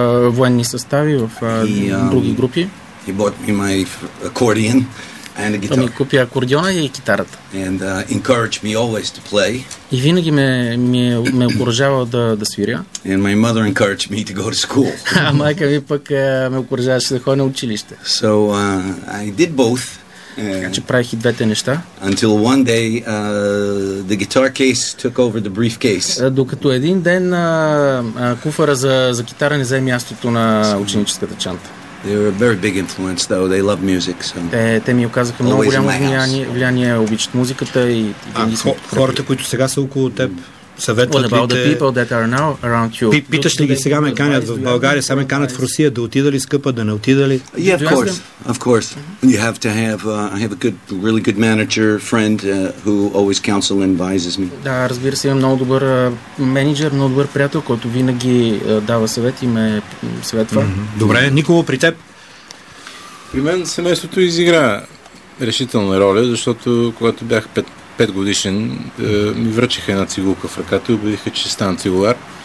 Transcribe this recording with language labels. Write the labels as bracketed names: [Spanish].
[Bulgarian] военни състави, в други групи. [English] He bought me my accordion. And a guitar. [Bulgarian] Ми купи акордиона и китарата. [English] And encouraged me always to play. [Bulgarian] И винаги ме окуражавал да свиря. [English] And my mother encouraged me to go to school. [Bulgarian] А майка ми пък ме окуражаваше да ходя на училище. [English] So I did both. [Bulgarian] Така че правих и двете неща. [English] Until one day the guitar case took over the briefcase. [Bulgarian] Докато един ден куфара за китара не взе мястото на ученическата чанта. [English] They were a very big influence, though they love music. So [Bulgarian] те ми оказаха много голямо влияние, обичат музиката и хората, които сега са около теб, съветват ли те? [English] What about the people that are now around you? [Bulgarian] Питаш ли ги сега, ме канят в България, сега ме канят в Русия, да отида ли скъпа, да не отида ли? [English] Yeah, of course. You have to have I have a good, really good manager friend who always counsel and advises me. [Bulgarian] Да, разбира се, имам много добър менеджер, много добър приятел, който винаги дава съвет и ме съветва. Добре, Никола, при теб? При мен семейството изигра решителна роля, защото когато бях 5 годишен, ми връчиха една цигулка в ръката и убедиха, че стана цигулар.